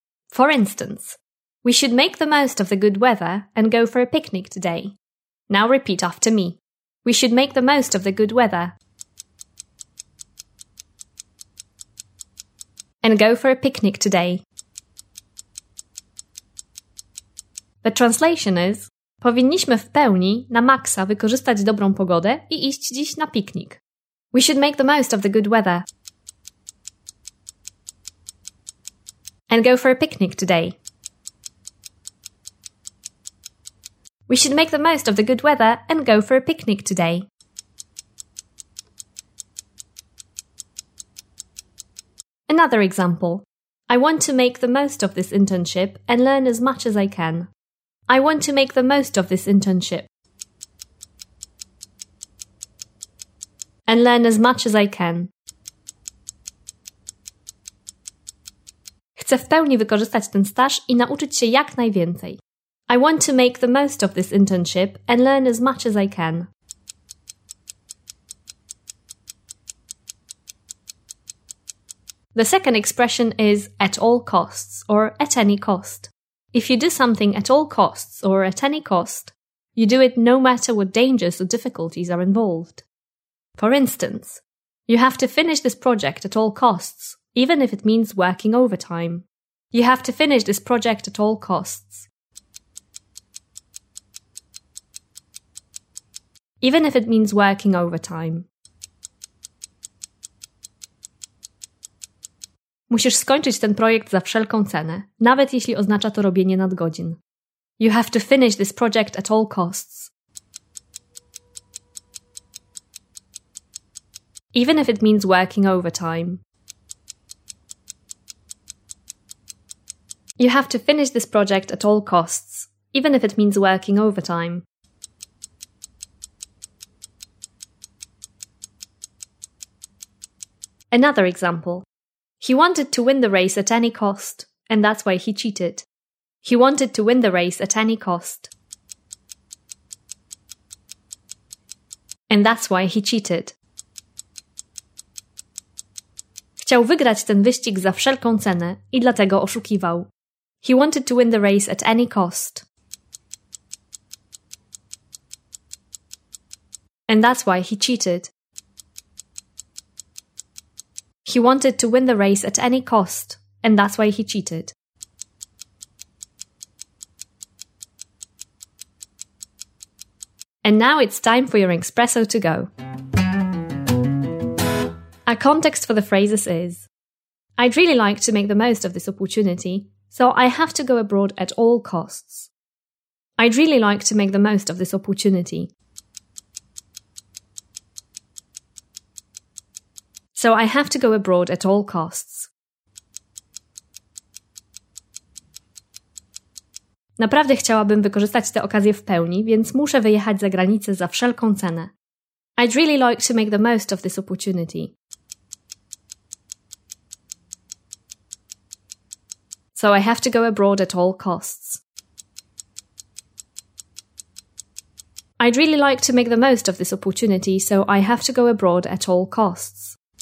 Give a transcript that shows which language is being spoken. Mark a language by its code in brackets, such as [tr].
[en] For instance, we should make the most of the good weather and go for a picnic today. Now repeat after me. We should make the most of the good weather and go for a picnic today. The translation is: [pl] powinniśmy w pełni, na maksa, wykorzystać dobrą pogodę i iść dziś na piknik. [en] We should make the most of the good weather and go for a picnic today. We should make the most of the good weather and go for a picnic today. Another example. I want to make the most of this internship and learn as much as I can. I want to make the most of this internship and learn as much as I can. [pl] Chcę w pełni wykorzystać ten staż i nauczyć się jak najwięcej. [en] I want to make the most of this internship and learn as much as I can. The second expression is at all costs or at any cost. If you do something at all costs or at any cost, you do it no matter what dangers or difficulties are involved. For instance, you have to finish this project at all costs, even if it means working overtime. You have to finish this project at all costs, even if it means working overtime. [pl] Musisz skończyć ten projekt za wszelką cenę, nawet jeśli oznacza to robienie nadgodzin. [en] You have to finish this project at all costs, even if it means working overtime. You have to finish this project at all costs, even if it means working overtime. Another example. He wanted to win the race at any cost, and that's why he cheated. He wanted to win the race at any cost, and that's why he cheated. [pl] Chciał wygrać ten wyścig za wszelką cenę i dlatego oszukiwał. [en] He wanted to win the race at any cost, and that's why he cheated. He wanted to win the race at any cost, and that's why he cheated. And now it's time for your espresso to go. A context for the phrases is: I'd really like to make the most of this opportunity, so I have to go abroad at all costs. I'd really like to make the most of this opportunity, so I have to go abroad at all costs. [pl] Naprawdę chciałabym wykorzystać tę okazję w pełni, więc muszę wyjechać za granicę za wszelką cenę. [en] I'd really like to make the most of this opportunity. So I have to go abroad at all costs. I'd really like to make the most of this opportunity, so I have to go abroad at all costs.